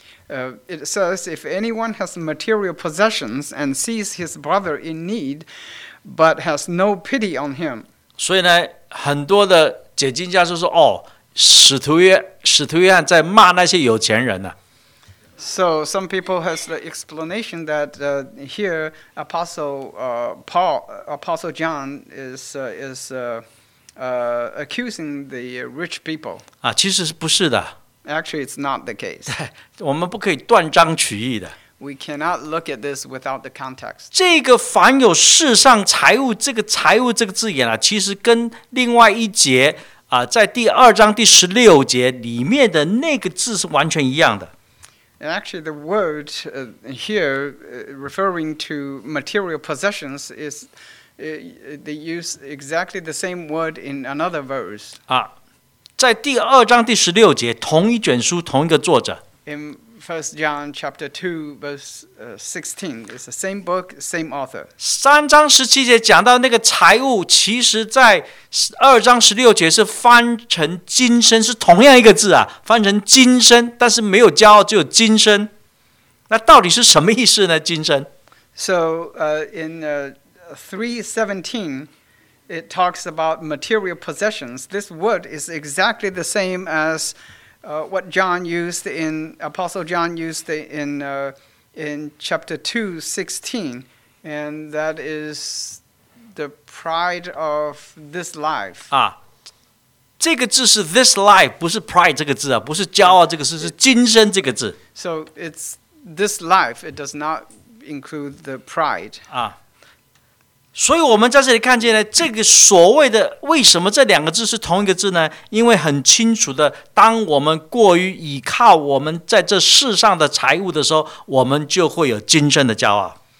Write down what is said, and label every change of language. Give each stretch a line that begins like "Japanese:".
English: It says if anyone has material possessions and sees his brother in need,But has no pity on him.
Chinese: 所以呢，很多的解经家就说，使徒约翰在骂那些有钱人呢。
English: So some people has the explanation that here Apostle John is accusing the rich people.
Chinese: 其实不是的。
English: Actually, it's not the case.
Chinese: 我们不可以断章取义的。
English: We cannot look at this without the context.
Chinese: 这个凡有世上财物，这个财物这个字眼，其实跟另外一节，在第二章第十六节里面的那个字是完全一样的。
English: Actually, the word here referring to material possessions is they use exactly the same word in another verse.
Chinese: 在第二章第十六节，同一卷书，同一个作者。
English: First John chapter 2 verse 16 is the same book, same author.
Chinese: 三章十七节讲到那个财物，其实在二章十六节是翻成今生，是同样一个字啊，翻成今生，但是没有骄傲，只有今生。那到底是什么意思呢？今生。
English: So, in 3:17, it talks about material possessions. This word is exactly the same as what John used in Apostle John used in chapter 2:16, and that is the pride of this life.
Chinese: 啊，这个字是
English: this life，
Chinese: 不是 pride 这个字啊，不是骄傲这个字，是今生这个字。
English: So it's this life. It does not include the pride. 啊。
Chinese: 所以我们在这里看见呢，这个所谓的为什么这两个字是同一个字呢？因为很清楚的，当我们过于依靠我们在这世上的财物的时候，我们就会有今生的骄傲。